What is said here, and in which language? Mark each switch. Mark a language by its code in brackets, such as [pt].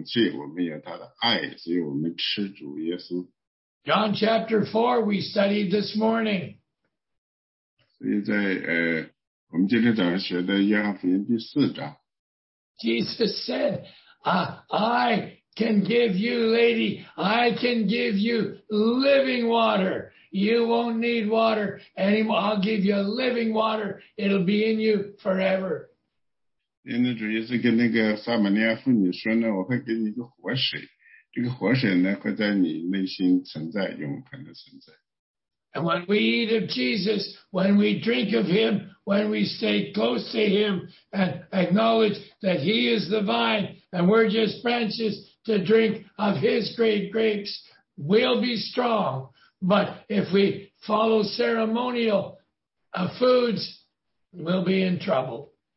[zh] 因为我们吃了主耶稣基督，所以我们有他的力量，我们有他的勇气，我们有他的爱，所以我们吃主耶稣。 [en] John chapter 4, we studied this morning. [zh] 所以在我们今天早上学的约翰福音第四章。 [en] Jesus said, I can give you, lady, I can give you living water. You won't need water anymore. I'll give you living water. It'll be in you forever. [zh] 因为主耶稣跟那个撒玛利亚妇女说呢，我会给你一个活水，这个活水呢会在你内心存在，永恒的存在。 [en] And when we eat of Jesus, when we drink of him, when we stay close to him and acknowledge that he is the vine and we're just branches to drink of his great grapes, we'll be strong. But if we follow ceremonial foods, we'll be in trouble.